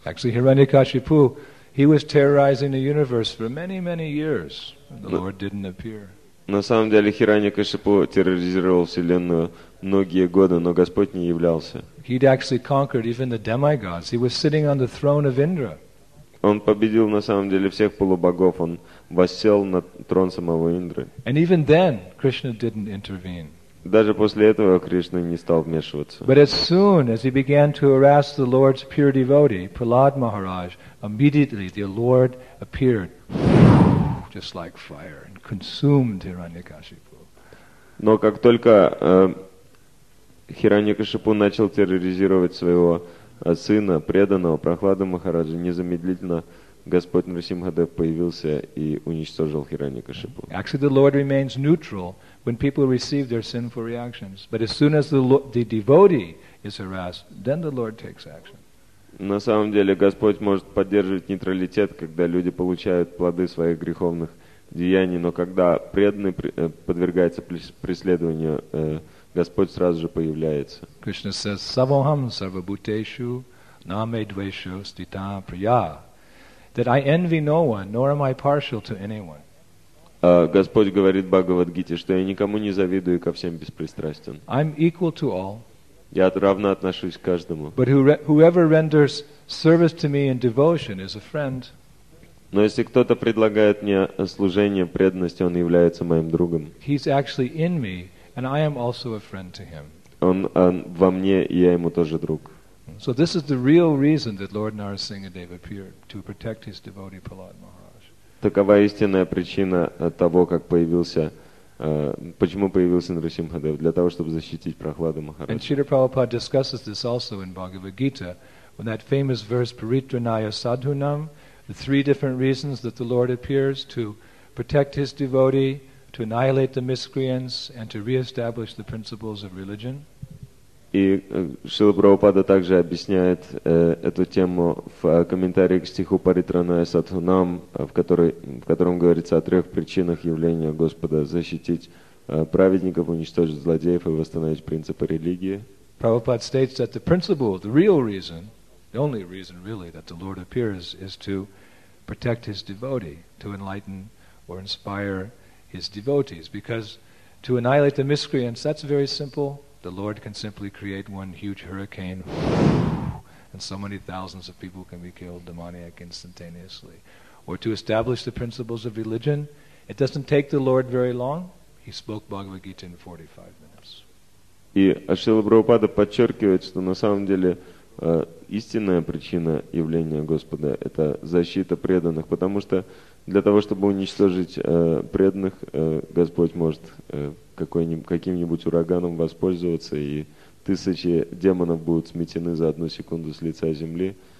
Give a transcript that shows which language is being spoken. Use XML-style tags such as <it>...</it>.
<en>Actually, Hiranyakashipu, he was terrorizing the universe for many, many years, and the Lord didn't appear.</en> <ru>На самом деле, Хираньякашипу терроризировал Вселенную многие годы, но Господь не являлся.</ru> <en>He'd actually conquered even the demigods. He was sitting on the throne of Indra.</en> <ru>Он победил, на самом деле, всех полубогов. Он воссел на трон самого Индры.</ru> <en>And even then, Krishna didn't intervene.</en> <ru>Даже после этого Кришна не стал вмешиваться.</ru> <en>But as soon as he began to harass the Lord's pure devotee, Prahlad Maharaj, immediately the Lord appeared, just like fire, and consumed Hiranyakashipu.</en> <ru>Но как только Хираньякашипу начал терроризировать своего сына, преданного Прохлада Махараджа, незамедлительно Господь Нарсимхадев появился и уничтожил Хиранья-кашипу.</ru> <en>Actually, the Lord remains neutral when people receive their sinful reactions. But as soon as the devotee is harassed, then the Lord takes action.</en> <ru>На самом деле, Господь может поддерживать нейтралитет, когда люди получают плоды своих греховных деяний, но когда преданный подвергается преследованию, Господь сразу же появляется.</ru> <en>Krishna says,</en> <sa>Savoham sarvabhuteshu name dvesho stita priya.</sa> <en>That I envy no one, nor am I partial to anyone.</en> <ru>Господь говорит Бхагавадгите, что я никому не завидую и ко всем беспристрастен.</ru> <en>I'm equal to all.</en> <ru>Я равно отношусь к каждому.</ru> <en>But whoever renders service to me in devotion is a friend.</en> <ru>Но если кто-то предлагает мне служение, преданность, он является моим другом.</ru> <en>He's actually in me, and I am also a friend to him.</en> <ru>Он во мне, и я ему тоже друг.</ru> <en>So this is the real reason that Lord Narasimhadev appeared, to protect his devotee Prahlad Maharaj.</en> <ru>Такова истинная причина того, как появился, почему появился Нарасимхадев, для того, чтобы защитить Прохлада Махараджа.</ru> <en>And Śrīla Prabhupāda discusses this also in Bhagavad Gita, when that famous verse, Paritranaya Sadhunam, the three different reasons that the Lord appears, to protect his devotee, to annihilate the miscreants, and to reestablish the principles of religion.</en> <ru>И Шрила Прабхупада также объясняет эту тему в комментарии к стиху Паритраная Садхунам, в котором говорится о трех причинах явления Господа: защитить праведников, уничтожить злодеев и восстановить принципы религии.</ru> <en>Prabhupada states that the principle, the real reason, the only reason really that the Lord appears is to protect his devotee, to enlighten or inspire his devotees. Because to annihilate the miscreants, that's very simple. The Lord can simply create one huge hurricane and so many thousands of people can be killed demoniac instantaneously. Or to establish the principles of religion, it doesn't take the Lord very long. He spoke Bhagavad Gita in 45 minutes.</en> <ru>И Шрила Прабхупада подчеркивает, что на самом деле истинная причина явления Господа – это защита преданных, потому что для того, чтобы уничтожить преданных, Господь может каким-нибудь ураганом воспользоваться, и тысячи демонов будут сметены за одну секунду с лица земли.</ru>